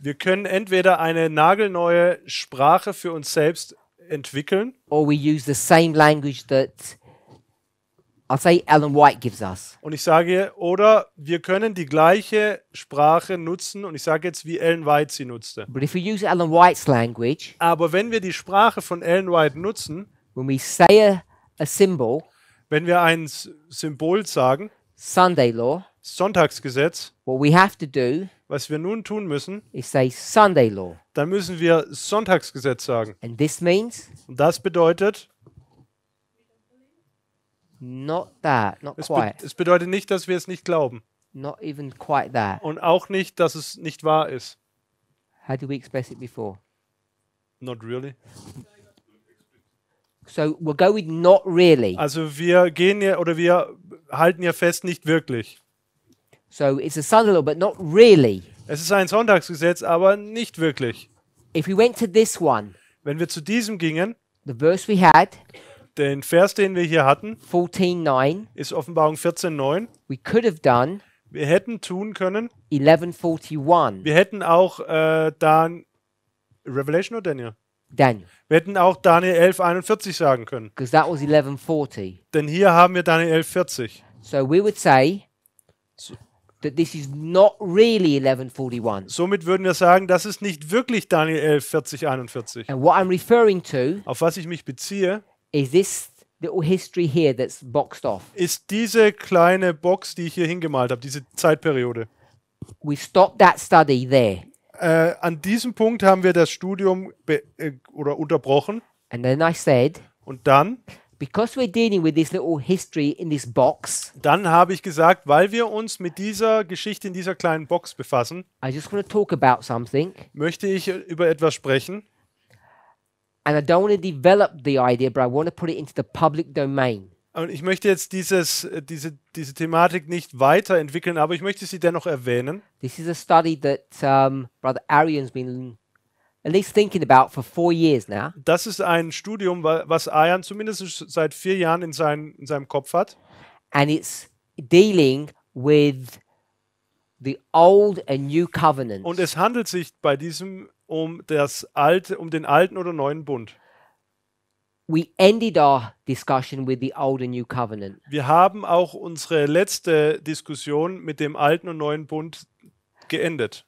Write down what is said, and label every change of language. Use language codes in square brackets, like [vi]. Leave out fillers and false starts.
[de] Wir können entweder eine nagelneue Sprache für uns selbst entwickeln. [en] Or we use the same language that I'll say Ellen White gives us. [de] Und ich sage, oder wir können die gleiche Sprache nutzen und ich sage jetzt, wie Ellen White sie nutzte. [en] But if we use Ellen White's language, [de] aber wenn wir die Sprache von Ellen White nutzen, [en] when we say a symbol, [de] wenn wir ein Symbol sagen, [en] Sunday law, [de] Sonntagsgesetz, [en] what we have to do, [de] was wir nun tun müssen, [en] is say Sunday law. [de] Dann müssen wir Sonntagsgesetz sagen. [en] And this means, [de] und das bedeutet, [en] Not that, not quite. [de] Es bedeutet nicht, dass wir es nicht glauben. [en] Not even quite that. [de] Und auch nicht, dass es nicht wahr ist. [en] How do we express it before? Not really. So we're going with not really. [de] Also wir gehen ja oder wir halten ja fest, nicht wirklich. [en] So it's a Sunday law, but not really. [de] Es ist ein Sonntagsgesetz, aber nicht wirklich. [en] If we went to this one, [de] wenn wir zu diesem gingen, [en] the verse we had, [de] den Vers, den wir hier hatten, [en] 14:9, [de] ist Offenbarung 14:9. [en] We could have done. [de] Wir hätten tun können. [en] 11:41. [de] Wir hätten auch dann Revelation oder Daniel? [en] Daniel. [de] Wir hätten auch Daniel 11:41 sagen können. [en] Because that was 11:40. [de] Denn hier haben wir Daniel 11:40. [en] So we would say that this is not really 11:41. [de] Somit würden wir sagen, das ist nicht wirklich Daniel 11:40:41. [en] And what I'm referring to, [de] auf was ich mich beziehe, [en] is this little history here that's boxed off. [de] Ist diese kleine Box, die ich hier hingemalt habe, diese Zeitperiode. [en] We stopped that study there. [de] An diesem Punkt haben wir das Studium oder unterbrochen. [en] And then I said, [de] und dann, [en] because we're dealing with this little history in this box, [de] dann habe ich gesagt, weil wir uns mit dieser Geschichte in dieser kleinen Box befassen, [en] I just want to talk about something, [de] möchte ich über etwas sprechen. [en] And I don't want to develop the idea, but I want to put it into the public domain. [de] Und ich möchte jetzt diese Thematik nicht weiterentwickeln, aber ich möchte sie dennoch erwähnen. [en] This is a study that Brother Arian's been at least thinking about for 4 years now. [de] Das ist ein Studium, was Arian zumindest seit 4 Jahren in seinem Kopf hat. [en] And it's dealing with the old and new covenants. [de] Und es handelt sich bei diesem um den alten oder neuen Bund. [en] We ended our discussion with the old and new covenant. [de] Wir haben auch unsere letzte Diskussion mit dem alten und neuen Bund geendet.